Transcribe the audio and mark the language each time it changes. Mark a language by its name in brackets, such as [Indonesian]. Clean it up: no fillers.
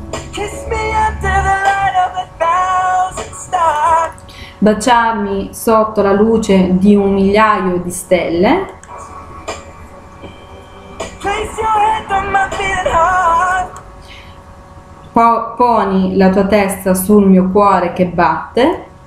[English] Kiss me under the light of a thousand stars. [Italian] Baciarmi sotto la luce di un migliaio di stelle. [English] Place your head on my beating heart. [Italian] Poni la tua testa sul mio cuore che batte.